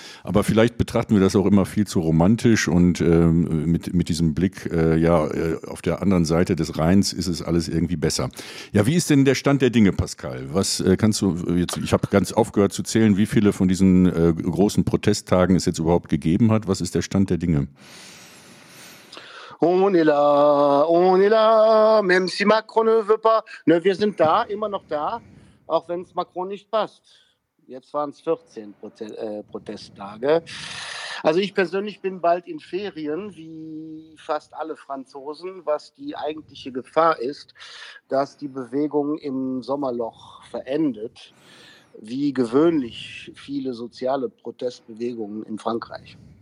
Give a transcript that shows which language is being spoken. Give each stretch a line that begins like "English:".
German: Aber vielleicht betrachten wir das auch immer viel zu romantisch und mit diesem Blick, auf der anderen Seite des Rheins ist es alles irgendwie besser. Ja, wie ist denn der Stand der Dinge, Pascal? Was kannst du jetzt, ich habe ganz aufgehört zu zählen, wie viele von diesen großen Protesttagen es jetzt überhaupt gegeben hat. Was ist der Stand der Dinge?
French: On est là, même si Macron ne veut pas.
German: Ne, wir sind da, immer noch da. Auch wenn es Macron nicht passt. Jetzt waren es 14 Protesttage. Also ich persönlich bin bald in Ferien, wie fast alle Franzosen, was die eigentliche Gefahr ist, dass die Bewegung im Sommerloch verendet, wie gewöhnlich viele soziale Protestbewegungen in Frankreich.